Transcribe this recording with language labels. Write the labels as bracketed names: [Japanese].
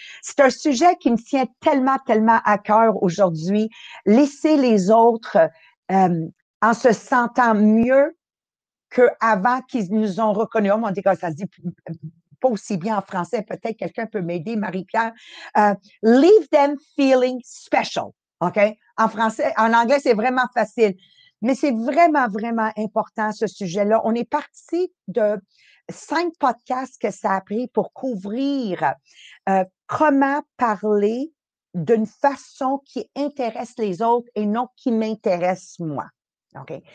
[French] C'est un sujet qui me tient tellement, tellement à cœur aujourd'hui. Laisser les autres en se sentant mieux qu'avant qu'ils nous ont reconnus. Oh, mon Dieu, ça se dit pas aussi bien en français. Peut-être quelqu'un peut m'aider, Marie-Pierre. [English] Leave them feeling special. OK? [French] En français, en anglais, c'est vraiment facile. Mais c'est vraiment, vraiment important, ce sujet-là. On est parti de 5 podcasts que ça a pris pour couvrir comment parler d'une façon qui intéresse les autres et non qui m'intéresse moi. OK?